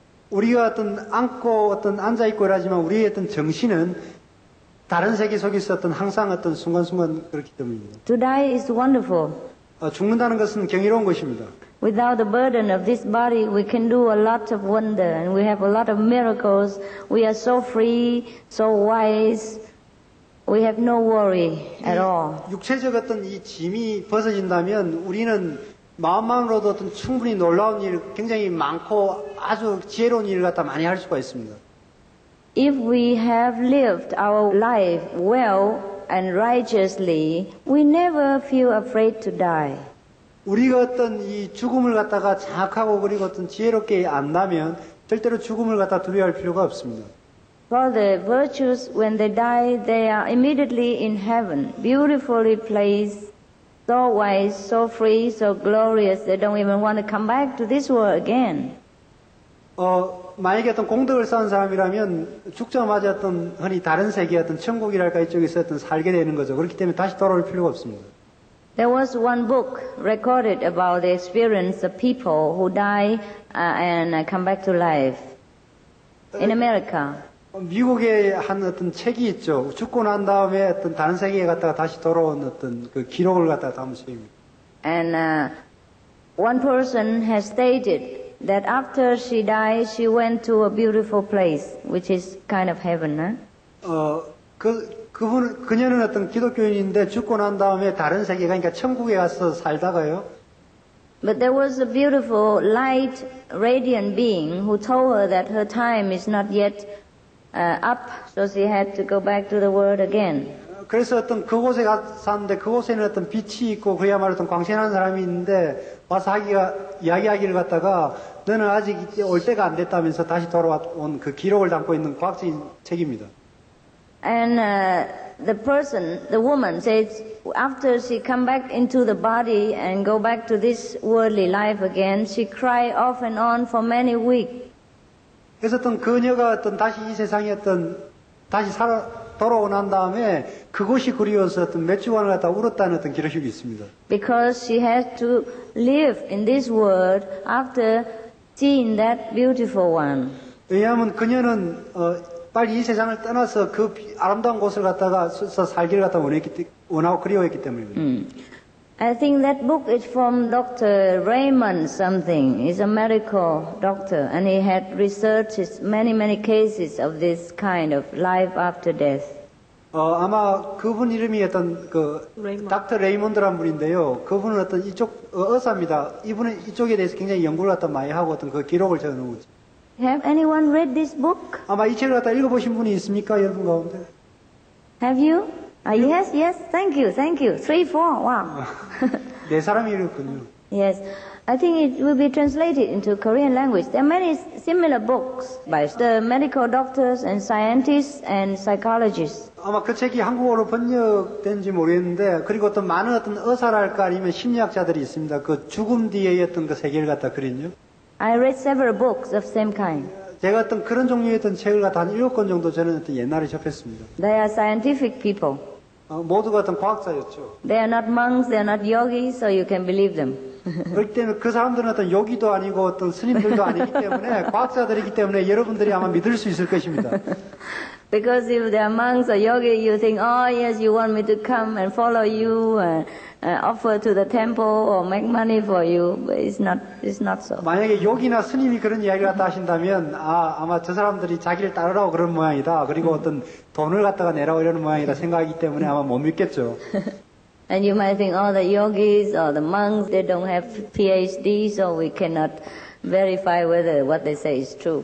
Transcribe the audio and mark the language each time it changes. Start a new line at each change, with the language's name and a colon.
Korean: 우리가 어떤 앉고 어떤 앉아 있고 하지만 우리의 어떤 정신은 다른 세계 속에서 어떤 항상 어떤 순간순간 그렇기 때문입니다.
English: To die is wonderful.
Korean: 죽는다는 것은 경이로운 것입니다.
English: Without the burden of this body, we can do a lot of wonder and we have a lot of miracles. We are so free, so wise. We have no worry at all.
Korean: 육체적 어떤 이 짐이 벗어진다면 우리는 마음만으로도 어떤 충분히 놀라운 일 굉장히 많고 아주 지혜로운 일 갖다 많이 할 수가 있습니다.
English: If we have lived our life well and righteously, we never feel afraid to die.
Korean: 우리가 어떤 이 죽음을 갖다가 정확하고 그리고 어떤 지혜롭게 안다면 절대로 죽음을 갖다 두려워할 필요가 없습니다.
English: For the virtues, when they die, they are immediately in heaven, beautifully placed, so wise, so free, so glorious, they don't even want to come back to this world again.
Korean: 만약에 어떤 공덕을 쌓은 사람이라면 죽자마자 어떤 흔히 다른 세계 어떤 천국이랄까 이쪽에서 어떤 살게 되는 거죠. 그렇기 때문에 다시 돌아올 필요가 없습니다.
English: There was one book recorded about the experience of people who die and come back to life in America.
Korean: 미국에 한 어떤 책이 있죠. 죽고 난 다음에 어떤 다른 세계에 갔다가 다시 돌아온 어떤 그 기록을 갖다가 담은 책입니다.
English: And one person has stated that after she died, she went to a beautiful place, which is kind of heaven. Huh?
Korean: 그녀는 어떤 기독교인인데 죽고 난 다음에 다른 세계가 그러니까 천국에 가서 살다가요.
English: But there was a beautiful light, radiant being who told her that her time is not yet up, so she had to go back to the world again.
Korean: 그래서 어떤 그곳에 갔었는데 그곳에는 어떤 빛이 있고 그야말로 어떤 광채난 사람이 있는데 와서 이야기하기를 갖다가 너는 아직 올 때가 안 됐다면서 다시 돌아온 그 기록을 담고 있는 과학적인 책입니다.
English: And the person, the woman, says after she come back into the body and go back to this worldly life again, she cried off and on for many weeks.
Korean: 그래서 어떤 그녀가 어떤 다시 이 세상에 어떤 다시 돌아온 다음에 그곳이 그리워서 어떤 몇 주간을 갖다 울었다는 어떤 기록이 있습니다.
English: Because she had to live in this world after seeing that beautiful one.
Korean: 왜냐하면 그녀는 빨리 이 세상을 떠나서 그 아름다운 곳을 갔다가 살기를 갖다 원하고 그리워했기 때문입니다.
English: I think that book is from Dr. Raymond something. He's a medical doctor and he had researched many, many cases of this kind of life after death.
Korean: 아마 그분 이름이 어떤 그 닥터 레이먼드란 분인데요. 그분은 어떤 이쪽 의사입니다. 이분은 이쪽에 대해서 굉장히 연구를 갖다 많이 하고 어떤 그 기록을 적어놓은 거죠.
English: Have anyone read this book?
Korean: 아마 이 책을 갖다 읽어보신 분이 있습니까? 여러분 가운데?
English: Have you? Yes, yes. Thank you, thank you. Three, four, wow.
Korean: 네 사람이 읽었군요.
English: Yes. I think it will be translated into Korean language. There are many similar books by the medical doctors and scientists and psychologists.
Korean: 아마 그 책이 한국어로 번역된지 모르겠는데 그리고 어떤 많은 어떤 의사랄까 아니면 심리학자들이 있습니다. 그 죽음 뒤에 어떤 그 세계를 갖다 그린요.
English: I read several books of same kind.
Korean: 제가 어떤 그런 종류의 어떤 책을 한 7권 정도 저는 어떤 옛날에 접했습니다.
English: They are scientific people.
Korean: 모두가 어떤 과학자였죠.
English: They are not monks, they are not yogis, so you can believe them.
Korean: 그렇기 때문에 그 사람들은 어떤 요기도 아니고 어떤 스님들도 아니기 때문에 과학자들이기 때문에 여러분들이 아마 믿을 수 있을 것입니다.
English: Because if they are monks or yogi, you think, oh yes, you want me to come and follow you and offer to the temple or make money for you, but it's not so.
Korean: 만약에 요기나 스님이 그런 이야기를 갖다 하신다면, 아마 저 사람들이 자기를 따르라고 그런 모양이다. 그리고 어떤 돈을 갖다가 내라고 이러는 모양이다 생각하기 때문에 아마 못 믿겠죠.
English: And you might think, oh, the yogis or the monks, they don't have PhD, so we cannot verify whether what they say is true.